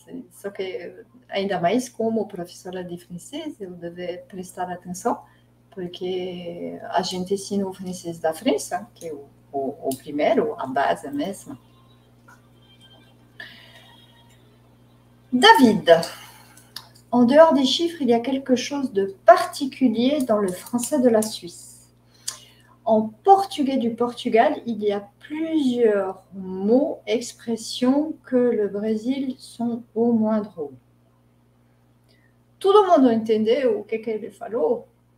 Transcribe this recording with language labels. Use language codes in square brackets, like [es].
[pt] Só que. Ainda mais como professora de francês, eu devo prestar atenção, porque a gente ensina o francês da França, que é o primeiro, a base mesmo. [fr] David, en dehors des chiffres, il y a quelque chose de particulier dans le français de la Suisse. En portugais du Portugal, il y a plusieurs mots, expressions que le Brésil sont au moins drôles. [pt] Todo mundo entendeu o que ele falou?